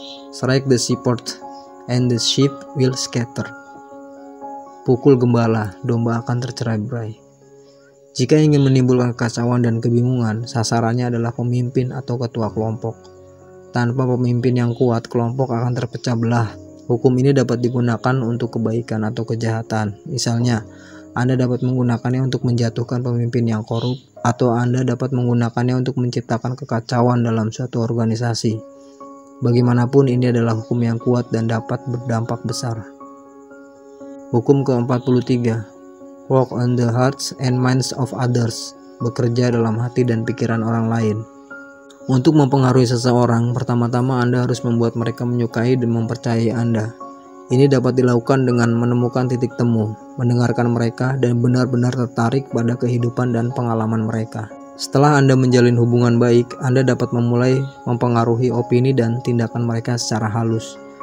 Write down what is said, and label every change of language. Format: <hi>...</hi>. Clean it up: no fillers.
<en>Strike the shepherd and the sheep will scatter.</en> <id>Pukul gembala, domba akan tercerai-berai. Jika ingin menimbulkan kekacauan dan kebingungan, sasarannya adalah pemimpin atau ketua kelompok. Tanpa pemimpin yang kuat, kelompok akan terpecah belah. Hukum ini dapat digunakan untuk kebaikan atau kejahatan. Misalnya, Anda dapat menggunakannya untuk menjatuhkan pemimpin yang korup, atau Anda dapat menggunakannya untuk menciptakan kekacauan dalam suatu organisasi. Bagaimanapun, ini adalah hukum yang kuat dan dapat berdampak besar. Hukum ke-43.</id> <en>Work on the hearts and minds of others.</en> <id>Bekerja dalam hati dan pikiran orang lain. Untuk mempengaruhi seseorang, pertama-tama Anda harus membuat mereka menyukai dan mempercayai Anda. Ini dapat dilakukan dengan menemukan titik temu, mendengarkan mereka, dan benar-benar tertarik pada kehidupan dan pengalaman mereka. Setelah Anda menjalin hubungan baik, Anda dapat memulai mempengaruhi opini dan tindakan mereka secara halus.</id>